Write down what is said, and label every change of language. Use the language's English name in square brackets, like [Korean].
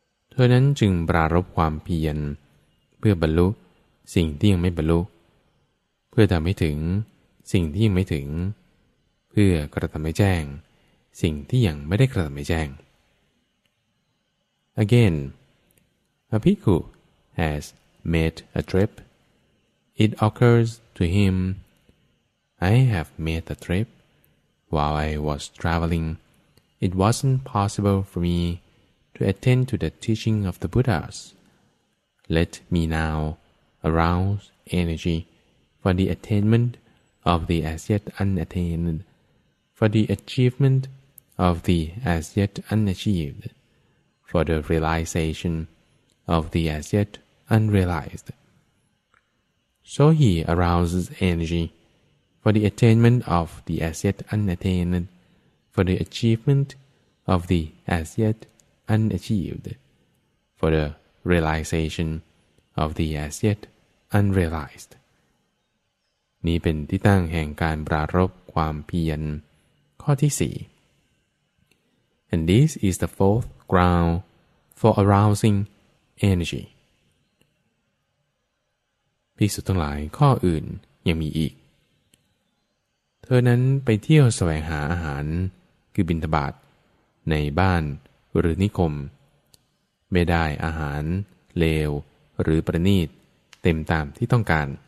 [Thai] เธอนั้นจึงปรารภความเพียรเพื่อบรรลุสิ่งที่ยังไม่บรรลุเพื่อทำให้ถึงสิ่งที่ยังไม่ถึงเพื่อกระทำให้แจ้งสิ่งที่ยังไม่ได้กระทำให้แจ้ง [English] Again, a bhikkhu hasmade a trip. It occurs to him, I have made a trip. While I was traveling, it wasn't possible for me to attend to the teaching of the Buddhas. Let me now arouse energy for the attainment of the as yet unattained, for the achievement of the as yet unachieved, for the realization of the as yet unrealized. So he arouses energy for the attainment of the as yet unattained, for the achievement of the as yet unachieved, for the realization of the as yet unrealized. [Thai] นี้เป็นที่ตั้งแห่งการปรารภความเพียรข้อที่สี่ [English] And this is the fourth ground for arousing energy. [Thai] ภิกษุทั้งหลายข้ออื่นยังมีอีกเธอนั้นไปเที่ยวแสวงหาอาหารคือบิณฑบาตในบ้านหรือนิคมไม่ได้อาหารเลวหรือประณีตเต็มตามที่ต้องการ